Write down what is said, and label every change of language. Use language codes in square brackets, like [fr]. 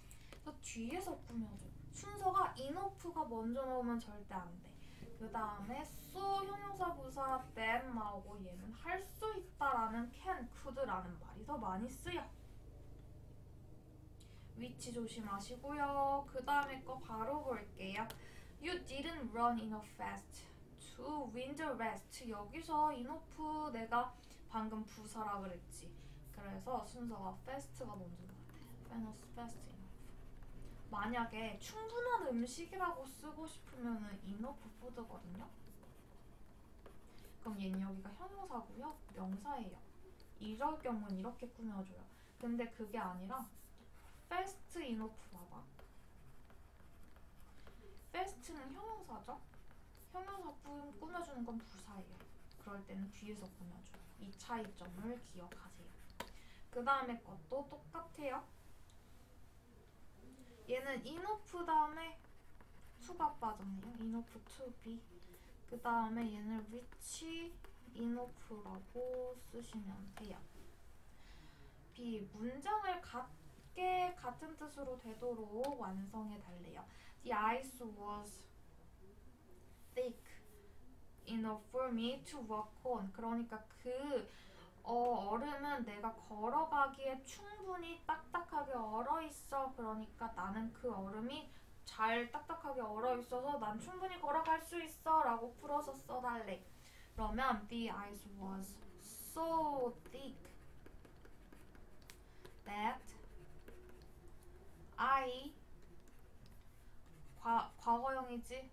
[ko] 그래서 뒤에서 꾸며줘. 순서가 enough가 먼저 나오면 절대 안 돼. 그 다음에 so 형용사 부사 that 나오고 얘는 할 수 있다라는 can, could라는 말이 더 많이 쓰여. 위치 조심하시고요. 그 다음에 거 바로 볼게요. [en] You didn't run enough fast to win the race. [ko] 여기서 enough 내가 방금 부사라 그랬지. 그래서 순서가 fast가 먼저 나와야 돼. [en] Fast, fast enough. [ko] 만약에 충분한 음식이라고 쓰고 싶으면 enough food거든요. 그럼 얘는 여기가 형용사고요. 명사예요. 이럴 경우는 이렇게 꾸며줘요. 근데 그게 아니라 fast enough 봐봐. fast는 형용사죠. 형용사 꾸며주는 건 부사예요. 그럴 때는 뒤에서 꾸며줘요. 이 차이점을 기억하세요. 그 다음에 것도 똑같아요. 얘는 enough 다음에 to가 빠졌네요. enough to be. 그 다음에 얘는 rich enough라고 쓰시면 돼요. b 문장을 같게 같은 뜻으로 되도록 완성해 달래요. [en] The ice was thick enough for me to walk on. [ko] 그러니까 그 얼음은 내가 걸어가기에 충분히 딱딱하게 얼어있어. 그러니까 나는 그 얼음이 잘 딱딱하게 얼어있어서 난 충분히 걸어갈 수 있어 라고 풀어서 써달래. [en] 그러면 The ice was so thick that I [ko] 과거형이지.